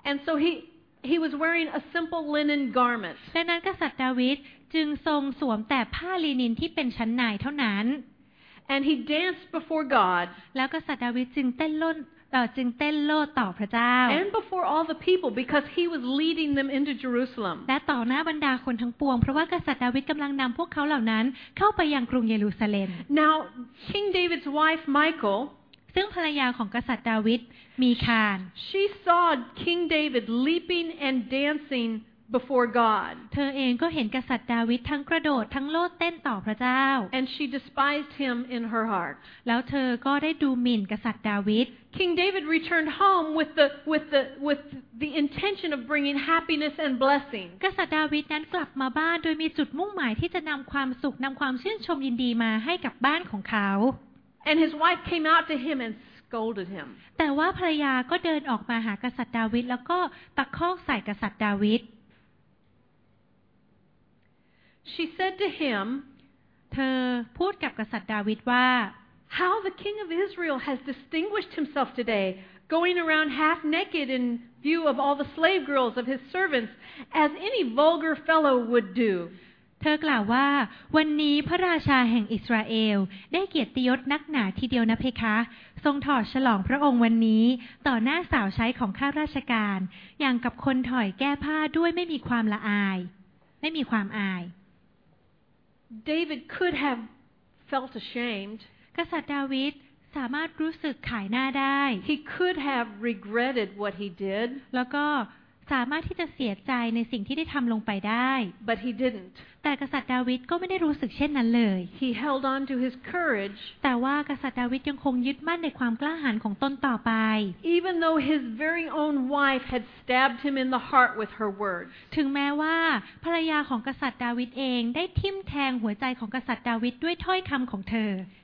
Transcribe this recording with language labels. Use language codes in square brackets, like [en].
[en] And so he was wearing a simple linen garment. [th] ดังนั้นกษัตริย์ดาวิดจึงทรงสวมแต่ผ้าลินินที่เป็นชั้นในเท่านั้น [en] And he danced before God. [th] แล้วกษัตริย์ดาวิดจึงเต้นโลดต่อพระเจ้า [en] And before all the people, because he was leading them into Jerusalem. [th] และต่อหน้าบรรดาคนทั้งปวงเพราะว่ากษัตริย์ดาวิดกำลังนำพวกเขาเหล่านั้นเข้าไปยังกรุงเยรูซาเล็ม [en] Now, King David's wife, Michal, [th] ซึ่งภรรยาของกษัตริย์ดาวิดมีคาน [en] She saw King David leaping and dancing. Before God, [th] เธอเองก็เห็นกษัตริย์ดาวิดทั้งกระโดดทั้งโลดเต้นต่อพระเจ้า [en] And she despised him in her heart. [th] แล้วเธอก็ได้ดูหมิ่นกษัตริย์ดาวิด [en] King David returned home with the intention of bringing happiness and blessing. [th] กษัตริย์ดาวิดนั้นกลับมาบ้านโดยมีจุดมุ่งหมายที่จะนำความสุขนำความชื่นชมยินดีมาให้กับบ้านของเขา [en] And his wife came out to him and scolded him. [th] แต่ว่าภรรยาก็เดินออกมาหากษัตริย์ดาวิดแล้วก็ตะคอกใส่กษัตริย์ดาวิด [en] She said to him, [th] เธอพูดกับกษัตริย์ดาวิดว่า [en] How the king of Israel has distinguished himself today, going around half naked in view of all the slave girls of his servants, as any vulgar fellow would do. [th] เธอกล่าวว่าวันนี้พระราชาแห่งอิสราเอลได้เกียรติยศนักหนาทีเดียวนะเพคะทรงถอดฉลองพระองค์วันนี้ต่อหน้าสาวใช้ของข้าราชการอย่างกับคนถอยแก้ผ้าด้วยไม่มีความละอายไม่มีความอาย [en] David could have felt ashamed [th] กษัตริย์ดาวิดสามารถรู้สึกขายหน้าได้ [en] He could have regretted what he did [th] แล้วก็สามารถที่จะเสียใจในสิ่งที่ได้ทำลงไปได้ [en] But he didn't. [th] แต่กษัตริย์ดาวิดก็ไม่ได้รู้สึกเช่นนั้นเลย [en] He held on to his courage. [th] แต่ว่ากษัตริย์ดาวิดยังคงยึดมั่นในความกล้าหาญของตนต่อไป [en] Even though his very own wife had stabbed him in the heart with her words. [th] ถึงแม้ว่าภรรยาของกษัตริย์ดาวิดเองได้ทิ่มแทงหัวใจของกษัตริย์ดาวิดด้วยถ้อยคำของเธอ